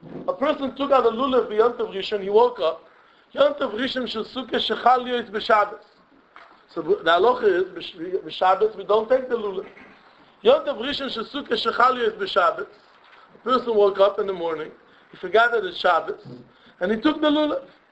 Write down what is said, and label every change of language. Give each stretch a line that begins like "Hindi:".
English: A person took out a lulav
Hebrew: ביום טוב ראשון,
English: he woke up.
Hebrew: יום טוב ראשון של סוכה שחל להיות בשבת.
English: So the halacha is, בשבת, we don't take the lulav.
Hebrew: יום טוב ראשון של סוכה שחל להיות בשבת.
English: A person woke up in the morning, he forgot that it's Shabbos, and he took the lulav.